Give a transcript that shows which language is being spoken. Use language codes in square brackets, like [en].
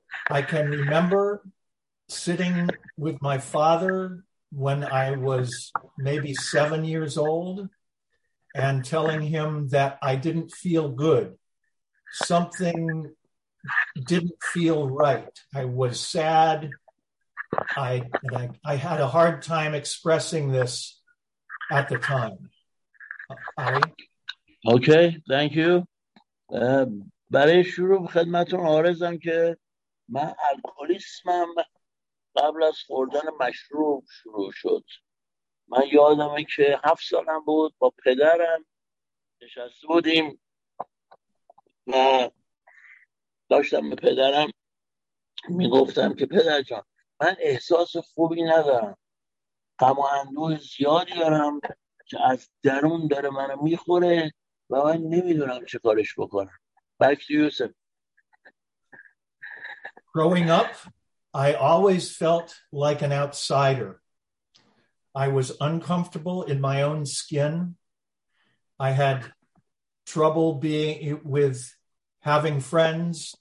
[en] I can remember sitting with my father when I was maybe 7 years old and telling him that I didn't feel good. Something didn't feel right. I was sad. I had a hard time expressing this at the time. Ali? Okay, thank you. [fa] برای شروع خدمتون عارضم که من الکلیسمم قبل از خوردن مشروب شروع شد. من یادمه که 7 سالم بود با پدرم نشسته بودیم من داشتم به پدرم میگفتم که پدر جان من احساس خوبی ندارم، غم و اندوه زیادی دارم که از درون داره منو میخوره و من نمیدونم چه کارش بکنم. [en] Back to Yusuf. Growing up, I always felt like an outsider. I was uncomfortable in my own skin. I had trouble being with having friends.